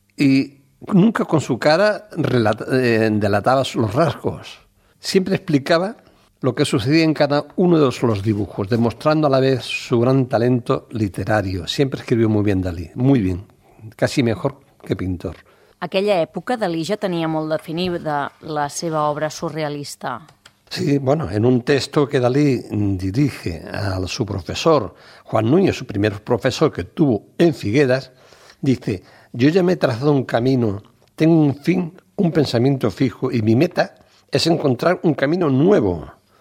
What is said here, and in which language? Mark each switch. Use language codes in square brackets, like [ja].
[es] Y nunca con su cara delataba los rasgos. Siempre explicaba lo que sucedía en cada uno de los dibujos, demostrando a la vez su gran talento literario. Siempre escribió muy bien Dalí, muy bien, casi mejor que pintor. [ca] Aquella època Dalí ja tenia molt definida la seva obra surrealista. [es] Sí, bueno, en un texto que Dalí dirige a su profesor, Juan Núñez, su primer profesor que tuvo en Figueras, dice: yo ya me he trazado un camino, tengo un fin, un pensamiento fijo, y mi meta es encontrar un camino nuevo.